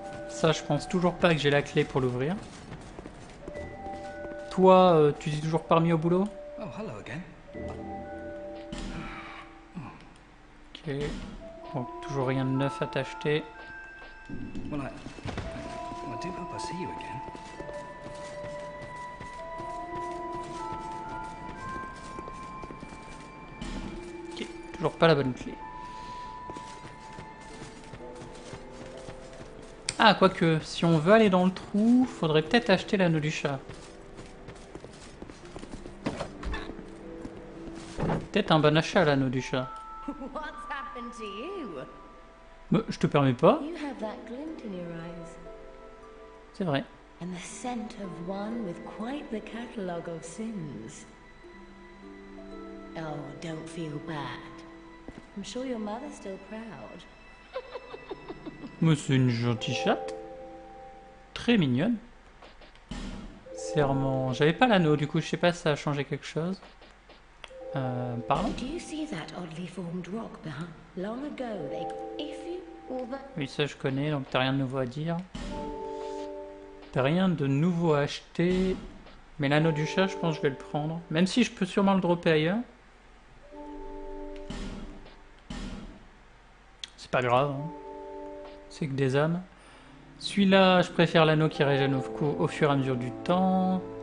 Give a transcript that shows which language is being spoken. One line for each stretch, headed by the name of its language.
French: Ça, je pense toujours pas que j'ai la clé pour l'ouvrir. Toi, tu dis toujours parmi au boulot?
English: Oh, hello again. Ok.
French: Donc, toujours rien de neuf à t'acheter.
English: Well, I do hope I see you again.
French: Ok, toujours pas la bonne clé. Ah, quoique, si on veut aller dans le trou, faudrait peut-être acheter l'anneau du chat. Peut-être un bon achat, l'anneau du chat.
English: What's happened to you?
French: Mais, je te permets pas.
English: You have that glint in your eyes.
French: C'est vrai.
English: And the scent of one with quite the catalogue of sins. Oh, don't feel bad. I'm sure your mother's still proud.
French: Mais c'est une gentille chatte. Très mignonne. Serment. J'avais pas l'anneau, du coup, je sais pas si ça a changé quelque chose. Pardon?
English: Did you see that oddly formed rock behind? Long ago, they. If you.
French: Oui, ça je connais, donc t'as rien de nouveau à dire. T'as rien de nouveau à acheter. Mais l'anneau du chat, je pense que je vais le prendre. Même si je peux sûrement le dropper ailleurs. C'est pas grave, hein. C'est que des âmes. Celui-là, je préfère l'anneau qui régène au fur et à mesure du temps.